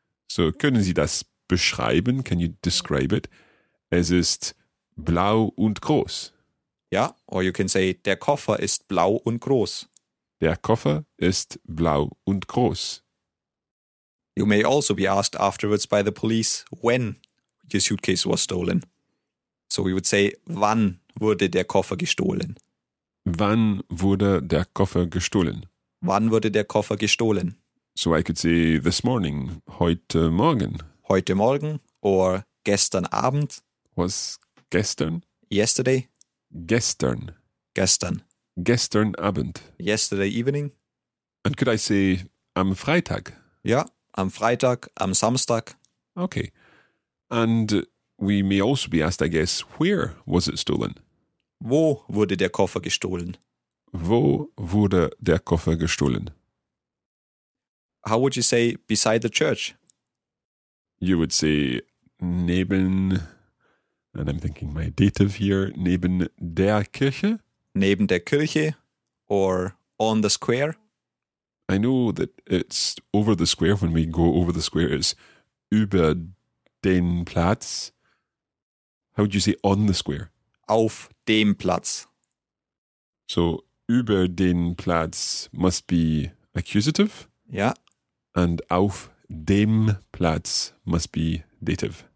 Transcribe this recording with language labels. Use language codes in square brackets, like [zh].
[de] So, können Sie das beschreiben? [en] Can you describe it? [de] Es ist blau und groß. Ja, [en] or you can say, [de] der Koffer ist blau und groß. Der Koffer ist blau und groß. [en] You may also be asked afterwards by the police when your suitcase was stolen. So we would say, [de] wann wurde der Koffer gestohlen? Wann wurde der Koffer gestohlen? Wann wurde der Koffer gestohlen? [en] So I could say this morning, [de] heute Morgen. Heute Morgen or gestern Abend. Was gestern? [en] Yesterday. [de] Gestern. Gestern. Gestern Abend. [en] Yesterday evening. And could I say [de] am Freitag? Ja, am Freitag, am Samstag. [en] Okay. And we may also be asked, I guess, where was it stolen? [de] Wo wurde der Koffer gestohlen? Wo wurde der Koffer gestohlen? [en] How would you say beside the church? You would say neben, and I'm thinking my dative here, [de] neben der Kirche? Neben der Kirche [en] or on the square? I know that it's over the square. When we go over the square, it's [de] über den Platz. [en] How would you say on the square? [de] Auf dem Platz. [en] So, [de] über den Platz [en] must be accusative. Yeah. And [de] auf dem Platz [en] must be dative.